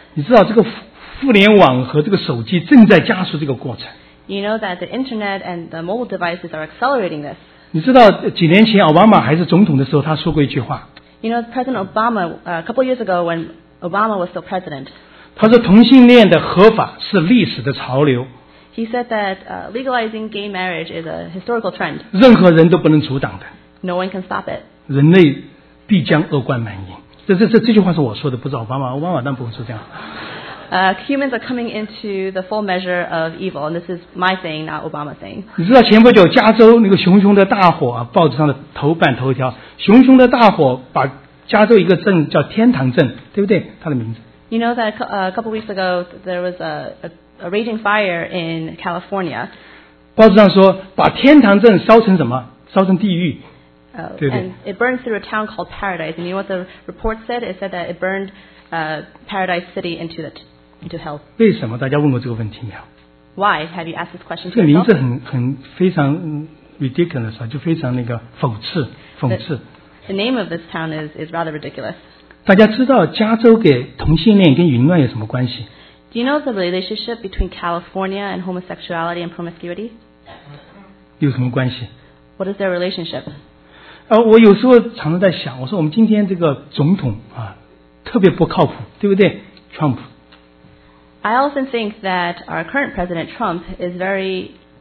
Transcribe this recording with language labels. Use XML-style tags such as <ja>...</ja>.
<zh>你知道这个互联网和这个手机正在加速这个过程。</zh> <en>You know that the internet and the mobile devices are accelerating this.</en> <zh>你知道几年前奥巴马还是总统的时候，他说过一句话。</zh> <en>You know, President Obama, a couple years ago when Obama was still president.</en> <zh>他说同性恋的合法是历史的潮流。</zh> <en>He said that legalizing gay marriage is a historical trend.</en> <zh>任何人都不能阻挡的。</zh> <en>No one can stop it.</en> <zh>人类必将恶贯满盈。这句话是我说的，不是奥巴马。奥巴马当然不会说这样。</zh> <en>Humans are coming into the full measure of evil, and this is my thing, not Obama's thing.</en> <zh>你知道前不久加州那个熊熊的大火、啊，报纸上的头版头条，熊熊的大火把加州一个镇叫天堂镇，对不对？它的名字。</zh> <en>You know that a couple weeks ago there was a raging fire in California.</en> <zh>报纸上说把天堂镇烧成什么？烧成地狱。</zh> <en>And it burned through a town called Paradise. And you know what the report said? It said that it burned Paradise City into hell.</en> <zh>为什么大家问过这个问题没有？</zh> <en>Why have you asked this question?</en> <zh>这个名字很非常 ridiculous 啊，就非常那个讽刺。</zh> <en>The name of this town is rather ridiculous.</en> <zh>大家知道加州给同性恋跟淫乱有什么关系？</zh> <en>Do you know the relationship between California and homosexuality and promiscuity?</en> <zh>有什么关系？</zh> <en>What is their relationship?</en> <zh>我有时候常常在想，我说我们今天这个总统啊，特别不靠谱，对不对 ？Trump。</zh> <en>I often think that our current president Trump is very</en>